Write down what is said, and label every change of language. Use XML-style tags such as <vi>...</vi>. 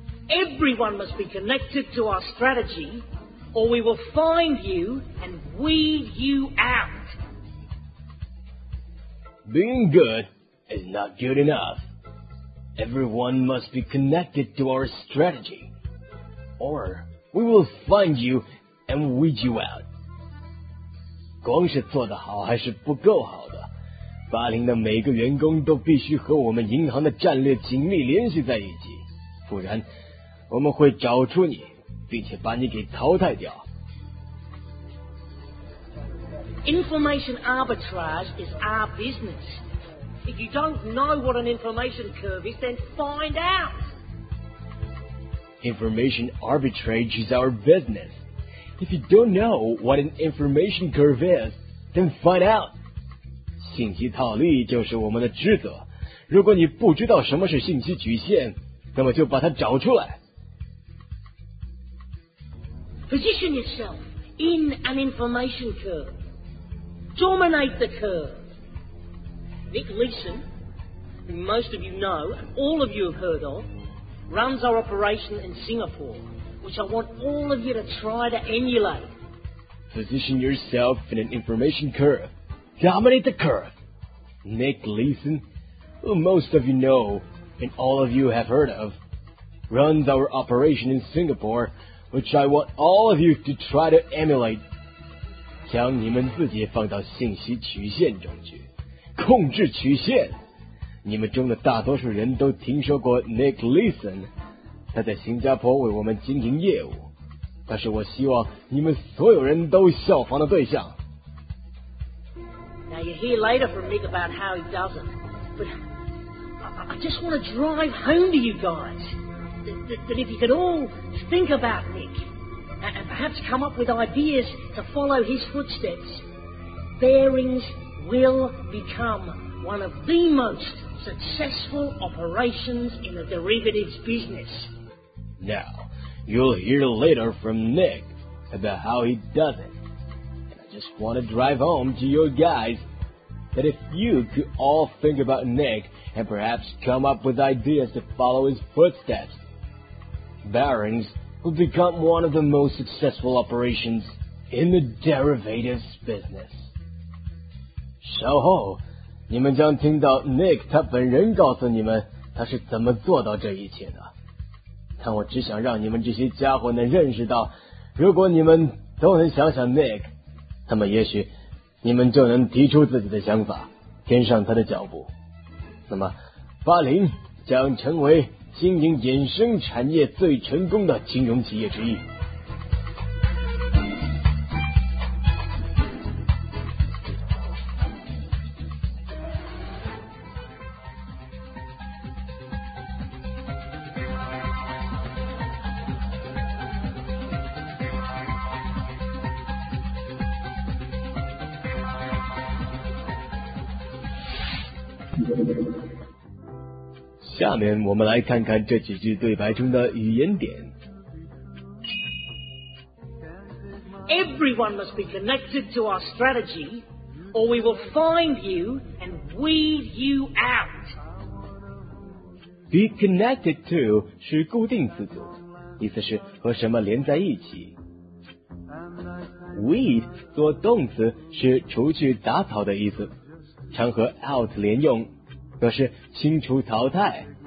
<en>Everyone must be connected to our strategy, or we will find you and weed you out. Being good is not good enough. Everyone must be connected to our strategy, or we will find you and weed you out.</en> <zh>光是做得好还是不够好的，巴林的每个员工都必须和我们银行的战略紧密联系在一起，不然我们会找出你，并且把你给淘汰掉。</zh> <en>Information arbitrage is our business. If you don't know what an information curve is, then find out. Information arbitrage is our business. If you don't know what an information curve is, then find out.</en> <zh>信息套利就是我们的职责。如果你不知道什么是信息曲线，那么就把它找出来。</zh> <en>Position yourself in an information curve. Dominate the curve. Nick Leeson, who most of you know and all of you have heard of, runs our operation in Singapore, which I want all of you to try to emulate. Position yourself in an information curve. Dominate the curve. Nick Leeson, who most of you know and all of you have heard of, runs our operation in Singapore, which I want all of you to try to emulate.</en> <zh>将你们自己放到信息曲线中去，控制曲线。你们中的大多数人都听说过 Nick Leeson， 他在新加坡为我们经营业务，他是我希望你们所有人都效仿的对象。</zh> <en>Now you hear later from Nick about how he does it, but I just want to drive home to you guys that if you could all think about Nick and perhaps perhaps come up with ideas to follow his footsteps, Bearings will become one of the most successful operations in the derivatives business. Now, you'll hear later from Nick about how he does it. I just want to drive home to your guys that if you could all think about Nick and perhaps come up with ideas to follow his footsteps, Barings will become one of the most successful operations in the derivatives business.</en> <zh>稍后，你们将听到 Nick 他本人告诉你们他是怎么做到这一切的。但我只想让你们这些家伙能认识到，如果你们都能想想 Nick， 那么也许你们就能提出自己的想法，跟上他的脚步。那么，巴林将成为经营衍生产业最成功的金融企业之一。下面我们来看看这几句对白中的语言点。</zh> <en>Everyone must be connected to our strategy, or we will find you and weed you out. Be connected to</en> <zh>是固定词组，意思是和什么连在一起。 Weed 做动词是除去打草的意思，常和 out 连用，表示清除淘汰。</zh>